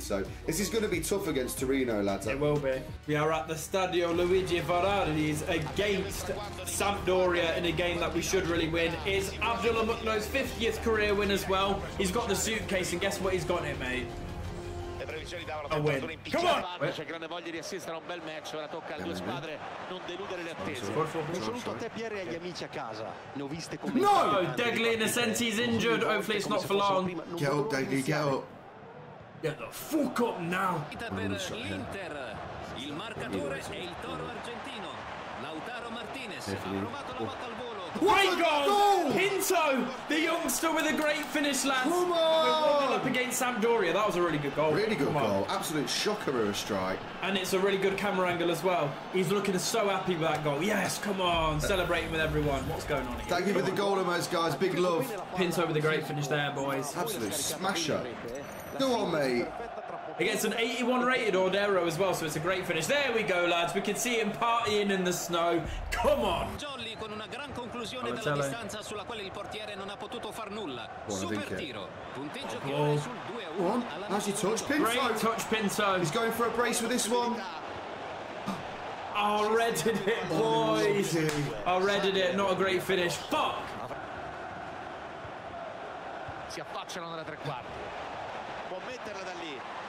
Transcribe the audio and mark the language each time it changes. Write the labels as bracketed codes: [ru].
[en] So this is going to be tough against Torino, lads. It will be. We are at the Stadio Luigi Vararis against Sampdoria in a game that we should really win. It's Abdullah Mukno's 50th career win as well. He's got the suitcase, and guess what he's got in it, mate? A win. Come on! [it] C'è grande voglia di assistere a un bel match. Ora tocca alle due squadre non deludere le attese. Un saluto a te, Pierre, e agli amici a casa. Ne ho viste come. [en] No! Degli, in a sense, he's injured. Hopefully, it's not for long. Get up, Degli, get up. Get the fuck up now! [it] Per l'Inter, il marcatore è il toro argentino. Lautaro Martinez ha provato la botta al volo. [en] Great goal! Pinto, the youngster with a great finish, lads. Come on! We're up against Sampdoria. That was a really good goal. Really good goal. Absolute shocker of a strike. And it's a really good camera angle as well. He's looking so happy with that goal. Yes, come on. Celebrating with everyone. What's going on here? Thank you for the goal, Emos, guys. Big love. Pinto with a great finish there, boys. Absolute smasher. Go on, mate. He gets an 81 rated Ordero as well, so it's a great finish. There we go, lads. We can see him partying in the snow. Come on. [it] Jolly con una gran conclusione dalla distanza sulla quale il portiere non ha potuto far nulla. Super tiro. Punteggio che vale sul 2-1. [en] How's he touch Pinto? Great touch Pinto. He's going for a brace with this one. Oh, redded it, boys. Oh, redded it. Not a great finish. Fuck. [it] Si affacciano nella tre quarti. Può metterla da lì.